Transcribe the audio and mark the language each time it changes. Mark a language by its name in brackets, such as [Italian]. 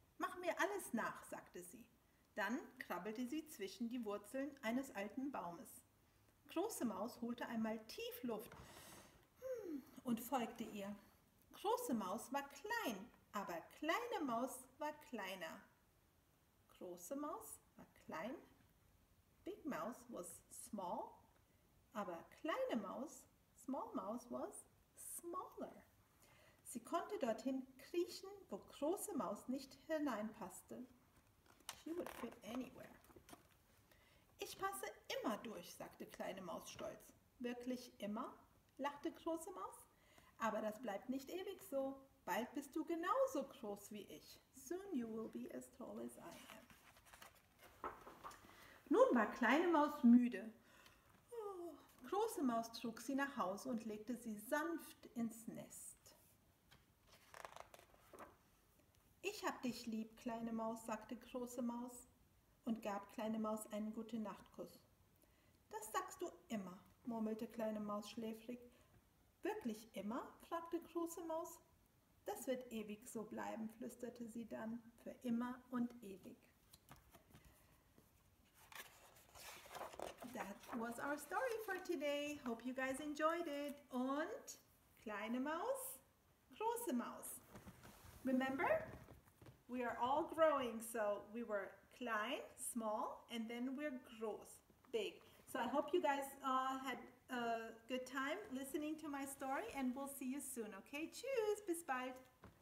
[German] Mach mir alles nach, sagte sie. Dann krabbelte sie zwischen die Wurzeln eines alten Baumes. Große Maus holte einmal tief Luft und folgte ihr. Große Maus war klein, aber kleine Maus war kleiner. Große Maus war klein. [English] Big Mouse was small, [German] aber kleine Maus, [English] small Mouse was smaller. [German] Sie konnte dorthin kriechen, wo große Maus nicht hineinpasste. [English] She would fit anywhere. [German] Ich passe immer durch, sagte kleine Maus stolz. Wirklich immer? Lachte große Maus. Aber das bleibt nicht ewig so. Bald bist du genauso groß wie ich. [English] Soon you will be as tall as I am. [German] Nun war kleine Maus müde. Große Maus trug sie nach Hause und legte sie sanft ins Nest. Ich hab dich lieb, kleine Maus, sagte große Maus und gab kleine Maus einen Gute-Nacht-Kuss. Das sagst du immer, murmelte kleine Maus schläfrig. Wirklich immer? Fragte große Maus. Das wird ewig so bleiben, flüsterte sie dann, für immer und ewig. [English] That was our story for today. Hope you guys enjoyed it. [German] Und kleine Maus, große Maus. [English] Remember? We are all growing, so we were klein, small, and then we're groß, big. So I hope you guys had a good time listening to my story, and we'll see you soon, okay? [German] Tschüss, bis bald.